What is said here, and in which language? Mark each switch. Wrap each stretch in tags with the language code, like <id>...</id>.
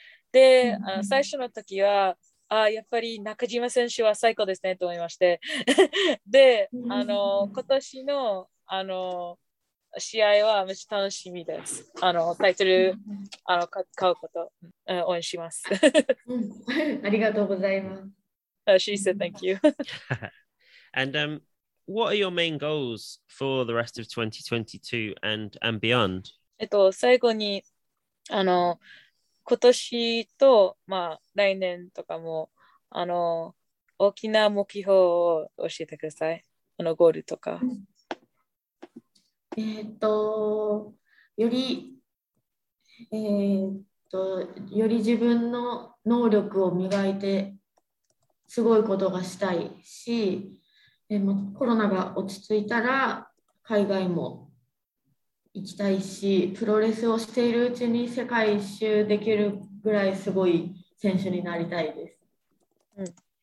<ja>De, ano 最初の時はああやっぱり中島選手は最高ですねと思いましてで、あの今年のあの試合はめっちゃ楽しみです。あのタイトルあの買うこと、応援します。ありがとうございます。</ja> <en>She said thank you. And what are your main goals for the rest of 2022 and beyond?</en> <ja>最後にあの今年と、まあ、来年とかもあの大きな目標を教えてください。あのゴールとか。うん、より、より自分の能力を磨いてすごいことがしたいし、コロナが落ち着いたら海外も行きたいし、プロレスをしているうちに世界一周できるぐらいすごい選手になりたいです。</ja>